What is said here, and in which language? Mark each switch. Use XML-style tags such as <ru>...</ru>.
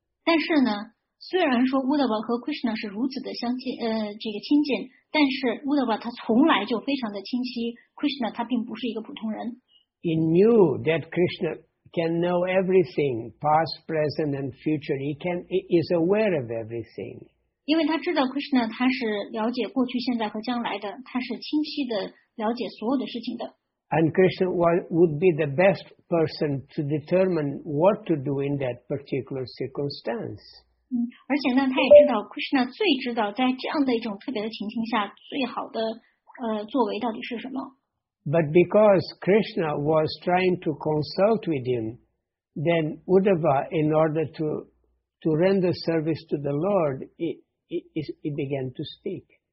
<zh>但是呢？虽然说 Uddhava 和 Krishna 是如此的亲近，但是 Uddhava 他从来就非常的清晰 ，Krishna 他并不是一个普通人。</zh> <en>He knew that Krishna can know everything, past, present, and future. He is aware of everything.</en> <zh>因为他知道 Krishna 他是了解过去、现在和将来的，他是清晰的了解所有的事情的。</zh> <en>And Krishna would be the best person to determine what to do in that particular circumstance.</en> <zh>而且呢，他也知道 Krishna 最知道在这样的一种特别的情形下，最好的作为到底是什么。</zh> <en>But because Krishna was trying to consult with him, then Uddhava, in order to render service to the Lord, he began to speak.</en>